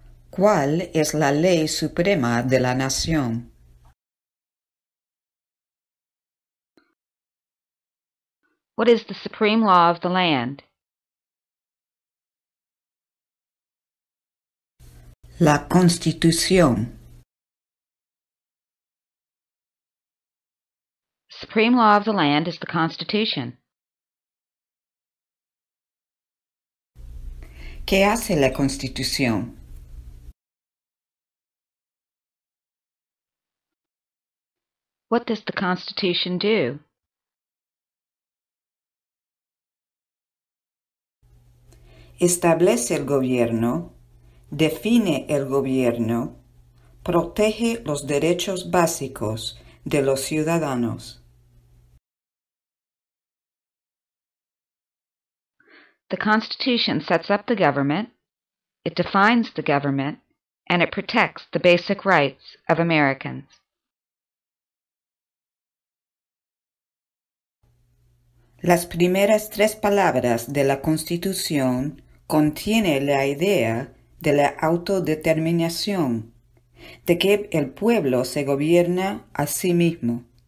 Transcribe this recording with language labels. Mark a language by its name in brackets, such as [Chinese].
[Spanish] ¿Cuál es la ley suprema de la nación? [English] What is the supreme law of the land? [Spanish] La Constitución. [English] Supreme law of the land is the Constitution. [Spanish] ¿Qué hace la Constitución? [English] What does the Constitution do? [Spanish] Establece el gobierno, define el gobierno, protege los derechos básicos de los ciudadanos. [English] The Constitution sets up the government, it defines the government, and it protects the basic rights of Americans. [Spanish] Las primeras tres palabras de la Constitución contiene la idea de la autodeterminación, de que el pueblo se gobierna a sí mismo.